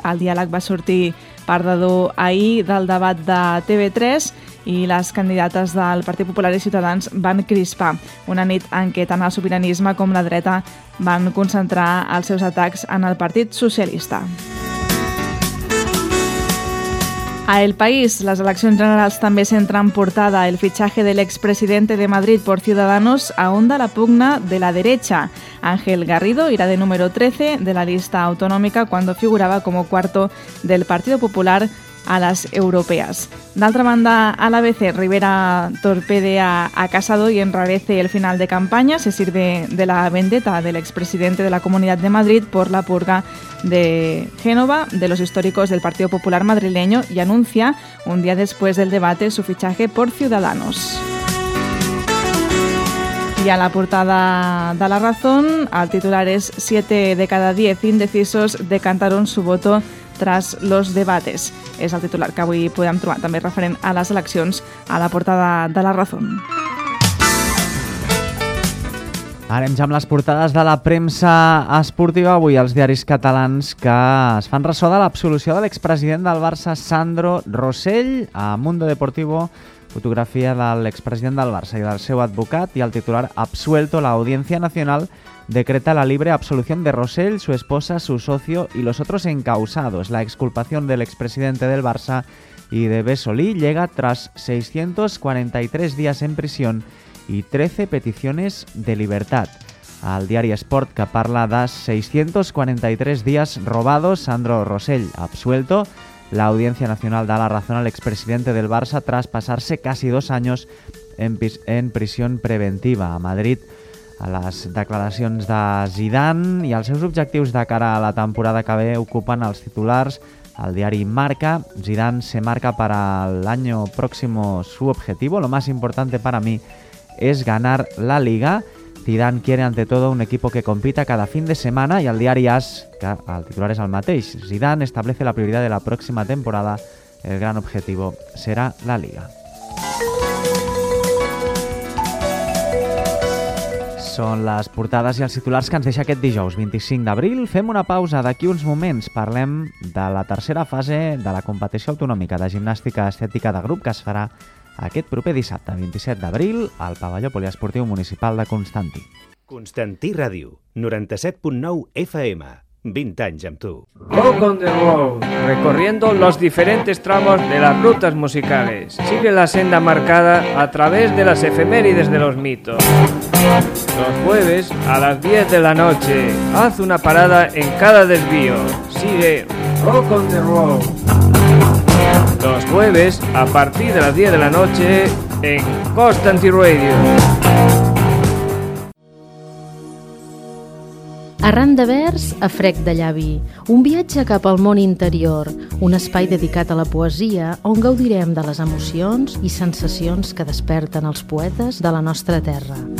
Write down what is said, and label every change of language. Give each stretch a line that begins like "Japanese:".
Catalan: El diàleg va sortir perdedor ahir del debat de TV3 i les candidates del Partit Popular i Ciutadans van crispar, una nit en què tant el sobiranisme com la dreta van concentrar els seus atacs en el Partit Socialista. A El País, les eleccions generals també s'entren portada.
Spanish: El fitxaje del expresidente de Madrid por Ciudadanos ahonda la pugna de la derecha. Ángel Garrido irá de número 13 de la lista autonómica cuando figuraba como cuarto del Partido Popular a las europeas.
Catalan: D'altra banda, a la ABC,
Spanish: Rivera torpedea a Casado y enrarece el final de campaña. Se sirve de la vendetta del expresidente de la Comunidad de Madrid por la purga de Génova, de los históricos del Partido Popular madrileño, y anuncia un día después del debate su fichaje por Ciudadanos. Y a la portada de La Razón, al titular es: 7 de cada 10 indecisos decantaron su voto tras los debates.
Catalan: És el titular que avui podem trobar també referent a les eleccions a la portada de La Razón. Ara ja amb les portades de la premsa esportiva, avui els diaris catalans que es fan ressò de l'absolució de l'expresident del Barça, Sandro Rosell. A Mundo Deportivo, fotografia de l'expresident del Barça i del seu advocat, i el titular:
Spanish: absuelto, la Audiencia Nacional decreta la libre absolución de Rosell, su esposa, su socio y los otros encausados. La exculpación del expresidente del Barça y de Besolí llega tras 643 días en prisión y 13 peticiones de libertad. Al diario Sport,
Catalan: que parla de
Spanish: 643 días robados, Sandro Rosell absuelto. La Audiencia Nacional da la razón al expresidente del Barça tras pasarse casi 2 años en prisión preventiva.
Catalan: A Madrid, a les declaracions de Zidane i els seus objectius de cara a la temporada que ve ocupen els titulars. El diari Marca:
Spanish: Zidane se marca para el año próximo su objetivo. Lo más importante para mí es ganar la Liga. Zidane quiere ante todo un equipo que compita cada fin de semana. Y
Catalan: el diari AS, que el titular es el mateix:
Spanish: Zidane establece la prioridad de la próxima temporada. El gran objetivo será la Liga.
Catalan: Són les portades i els titulars que ens deixa aquest dijous 25 d'abril. Fem una pausa d'aquí uns moments. Parlem de la tercera fase de la competició autonòmica de gimnàstica estètica de grup que es farà aquest proper dissabte 27 d'abril al Pavelló Poliesportiu Municipal de Constantí. Constantí Ràdio, 97.9 FM.
Spanish: 20 años en tú. Rock on the Road, recorriendo los diferentes tramos de las rutas musicales. Sigue la senda marcada a través de las efemérides de los mitos. Los jueves a las 10 de la noche, haz una parada en cada desvío. Sigue Rock on the Road. Los jueves a partir de las 10 de la noche en Constantí Radio. A
Catalan: Arran de vers a frec de llavi, un viatge cap al món interior, un espai dedicat a la poesia on gaudirem de les emocions i sensacions que desperten els poetes de la nostra terra.